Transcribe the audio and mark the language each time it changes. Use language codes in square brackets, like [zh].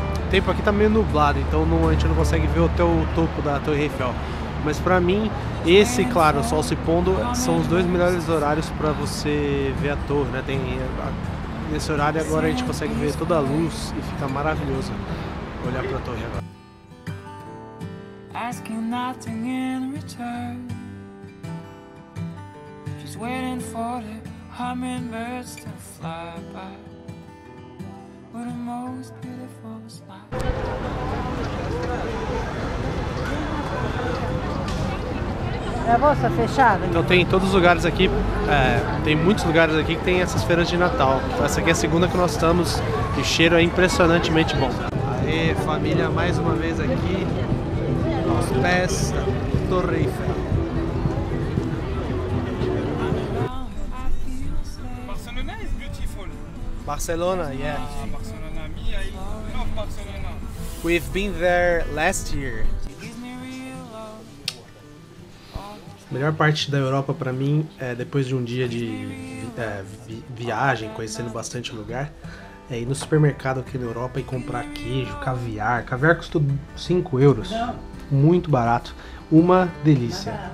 [pt] tempo aqui tá meio nublado, então não, a gente não consegue ver até o topo da Torre Eiffel. Mas pra mim, esse, claro, o sol se pondo, são os dois melhores horários pra você ver a torre, né? Tem nesse horário agora a gente consegue ver toda a luz e fica maravilhoso olhar pra torre agora. [en] Asking nothing in return. She's waiting for the hummingbirds to fly by. What a most beautiful smile. [pt] É a bolsa fechada? Então tem em todos os lugares aqui, tem muitos lugares aqui que tem essas feiras de Natal. Essa aqui é a segunda que nós estamos e o cheiro é impressionantemente bom. Aê, família, mais uma vez aqui, aos pés da Torre Eiffel. [en] Barcelona is beautiful. Barcelona, yeah. Barcelona, me, I love Barcelona. We've been there last year. [pt] A melhor parte da Europa para mim é depois de um dia de viagem, conhecendo bastante lugar, é ir no supermercado aqui na Europa e comprar queijo, caviar. Caviar custou 5 euros, muito barato, uma delícia.